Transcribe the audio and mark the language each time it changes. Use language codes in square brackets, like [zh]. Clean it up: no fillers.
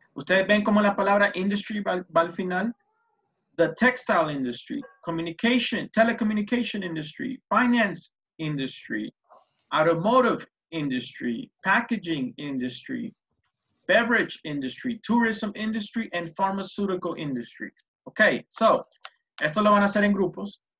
[es] ¿Ustedes ven cómo la palabra industry va al final? [en] The textile industry, communication, telecommunication industry, finance industry, automotive industry, packaging industry, beverage industry, tourism industry, and pharmaceutical industry. [es] Okay, so, esto lo van a hacer en grupos.